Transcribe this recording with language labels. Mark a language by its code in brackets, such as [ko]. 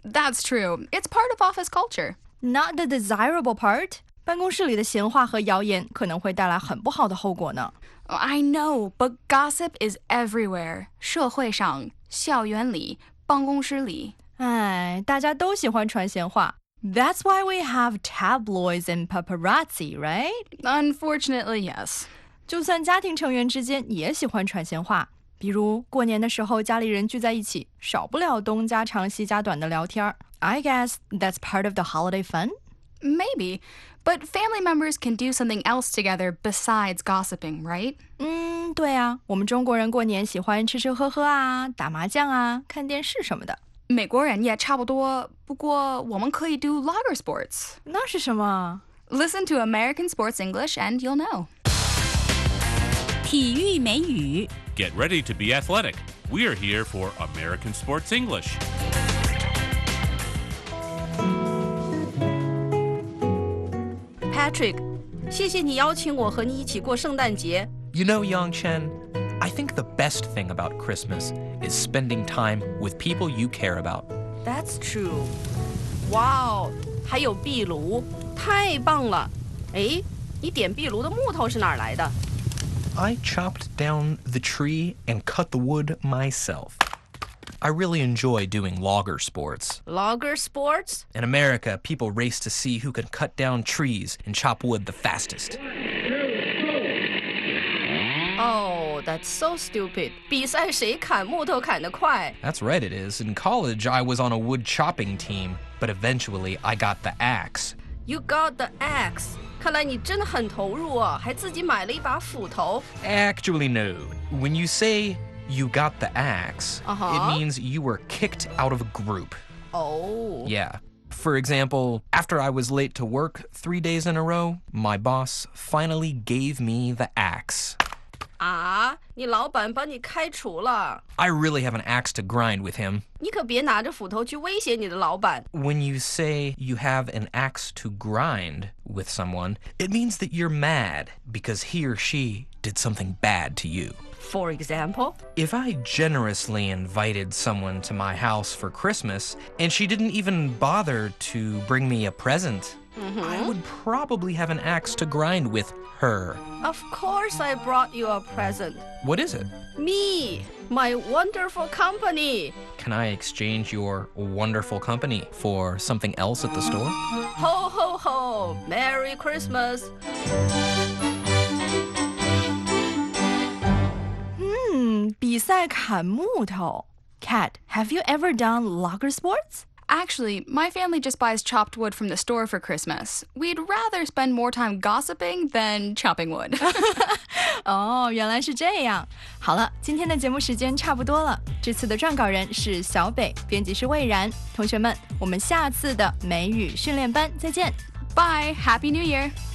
[en] That's true. It's part of office culture. Not the desirable part. [zh] 办公室里的闲话和谣言可能会带来很不好的后果呢。 [en] I know, but gossip is everywhere. [zh] 社会上、校园里、办公室里。哎，大家都喜欢传闲话。 [en] That's why we have tabloids and paparazzi, right? Unfortunately, yes. [zh] 就算家庭成员之间也喜欢传闲话。比如过年的时候家里人聚在一起，少不了东家长西家短的聊天。 [en] I guess that's part of the holiday fun? Maybe. But family members can do something else together besides gossiping, right? [zh] 对啊，我们中国人过年喜欢吃吃喝喝啊，打麻将啊，看电视什么的。美国人也差不多，不过我们可以 [en] do lager sports. [zh] 那是什么？ [en] Listen to American Sports English and you'll know. [zh] 体育美语。 [en] Get ready to be athletic. We are here for American Sports English. [zh] Patrick, 谢谢你邀请我和你一起过圣诞节。 [en] You know, Yongchen, I think the best thing about Christmas is spending time with people you care about. That's true. Wow, [zh] 还有壁炉，太棒了！哎，你点壁炉的木头是哪儿来的？ [en] I chopped down the tree and cut the wood myself. I really enjoy doing logger sports. Logger sports? In America, people race to see who can cut down trees and chop wood the fastest. Oh, that's so stupid. [zh] 比赛谁砍木头砍得快? [en] That's right it is. In college, I was on a wood chopping team, but eventually I got the axe. You got the axe. [zh] 看来你真的很投入啊,还自己买了一把斧头。 [en] Actually, no. When you say... You got the axe, uh-huh. It means you were kicked out of a group. Oh. Yeah. For example, after I was late to work 3 days in a row, my boss finally gave me the axe. [zh] Ah, 你老板把你开除了。 [en] I really have an axe to grind with him. [zh] 你可别拿着斧头去威胁你的老板。 [en] When you say you have an axe to grind with someone, it means that you're mad because he or she did something bad to you. For example? If I generously invited someone to my house for Christmas, and she didn't even bother to bring me a present,、 mm-hmm. I would probably have an axe to grind with her. Of course I brought you a present. What is it? Me, my wonderful company. Can I exchange your wonderful company for something else at the store? Ho, ho, ho! Merry Christmas! Kat, have you ever done logger sports? Actually, my family just buys chopped wood from the store for Christmas. We'd rather spend more time gossiping than chopping wood. [zh] Oh, 原来是这样。好了，今天的节目时间差不多了。这次的撰稿人是小北，编辑是魏然。同学们，我们下次的美语训练班再见。 [en] Bye, Happy New Year!